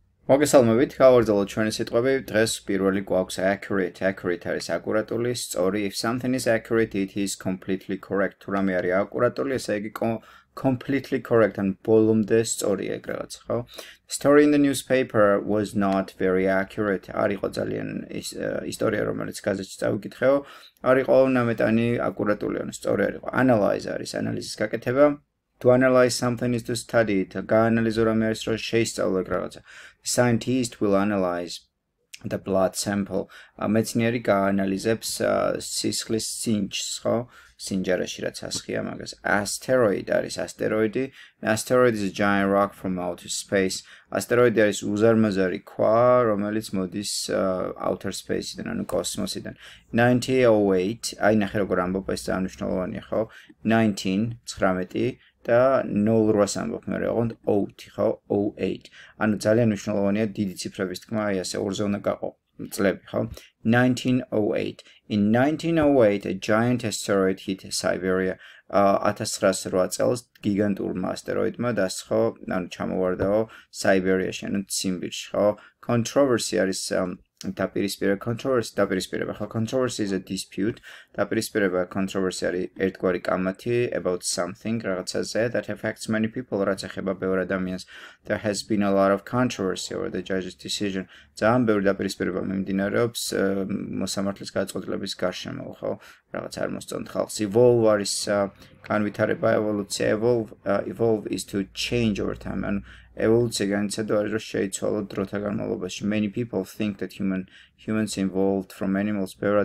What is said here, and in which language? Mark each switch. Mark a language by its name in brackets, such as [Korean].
[Georgian] მოგესალმებით, გავარძალოთ ჩვენი სიტყვები. დღეს პირველი გვაქვს accurate. Accurate არის აკურატული, სწორი. [English] If something is accurate, it is completely correct. [Georgian] თუ რამე არის აკურატული, ესე იგი [English] completely correct, [Georgian] ან ბოლომდე სწორია ეგ რაღაც, ხო? [English] Story in the newspaper was not very accurate. [Georgian] არ იყო ძალიან ის ისტორია, რომელიც გაზეთში წავიკითხეო, არ იყო ნამეტანი აკურატული, ან სწორი არ იყო. Analyze არის ანალიზის გაკეთება. [English] To analyze something is to study it. [Georgian] გაანალიზო რამე არის, რომ შეისწავლო ეგ რაღაცა. [English] Scientist will analyze the blood sample. [Georgian] მეცნიერი გაანალიზებს სისხლის სინჯს, ხო? სინჯარაში რაც ასხია მაგას. Asteroid არის ასტეროიდი. [English] Asteroid is a giant rock from outer space. [Georgian] Asteroid არის უზარმაზარი ქვა, რომელიც მოდის outer space-დან, ანუ კოსმოსიდან. 1908, აი ნახე როგორ ამბობ, ეს დანიშნულოვანია, ხო? 19, 19 და 08 ამბობ, მე რეგონ 08, ხო? 08. ანუ ძალიან მნიშვნელოვანია დიდი ციფრების თქმა, აი ასე ორზე უნდა გაყო წლები, ხო? [English] 1908. In 1908 a giant asteroid hit Siberia. [Georgian] 1908 წელს გიგანტურმა ასტეროიდმა დასხო, ანუ ჩამოვარდაო საიბერიაში, ანუ ციმბირში, ხო? Controversy არის დაპირისპირება, controversy დაპირისპირება, ხო? [English] Controversy is a dispute. [Georgian] დაპირისპირება, controversy არის ერთგვარი კამათი [English] about something, [Georgian] რაღაცაზე, [English] that affects many people, [Georgian] რაც ეხება ბევრ ადამიანს. [English] There has been a lot of controversy over the judge's decision. [Georgian] ძალიან ბევრი დაპირისპირება მიმდინარეობს მოსამართლის გადაწყვეტილების გარშემო, ხო? რაღაც არ მოსწონთ ხალხს. Evolve არის განვითარება, evolution. [English] Evolve is to change over time. [Georgian] And evolution განიცადა არის, რომ შეიცვალო დროთა განმავლობაში. [English] Many people think that humans evolved from animals.